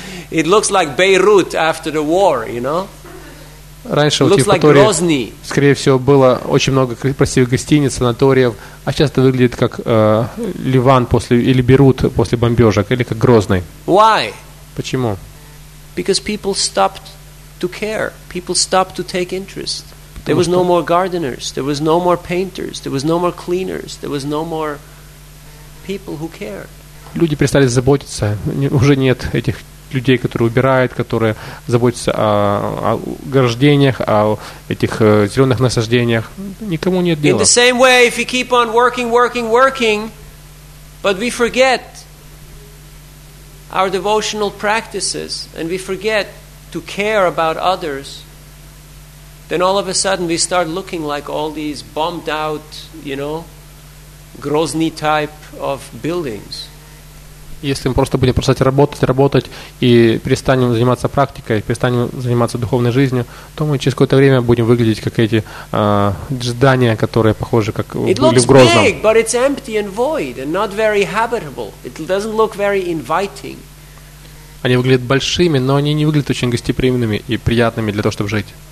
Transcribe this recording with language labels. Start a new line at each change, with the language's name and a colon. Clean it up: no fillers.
English: It looks like Beirut after the war, you know.
Russian: Раньше в Евпатории, скорее всего, было очень много красивых гостиниц, санаториев, а сейчас это выглядит как Ливан после или Бейрут после бомбежек, или как Грозный.
English: Why?
Russian: Почему?
English: Because people stopped to care. People stopped to take interest. There was no more gardeners. There was no more painters. There was no more cleaners. There was no more people who cared.
Russian: Люди перестали заботиться. Уже нет этих людей, которые убирают, которые заботятся о ограждениях, о этих зеленых насаждениях. Никому нет дела.
English: In the same way, if you keep on working, but we forget our devotional practices, and we forget to care about others, then all of a sudden we start looking like all these bombed out, you know, Grozny type of buildings.
Russian: Если мы просто будем продолжать работать и перестанем заниматься практикой, перестанем заниматься духовной жизнью, то мы через какое-то время будем выглядеть как эти здания, которые похожи как были в Грозном.
English: It looks big, but it's empty and void and not very habitable. It doesn't look very inviting.
Russian: Они выглядят большими, но они не выглядят очень гостеприимными и приятными для того, чтобы жить.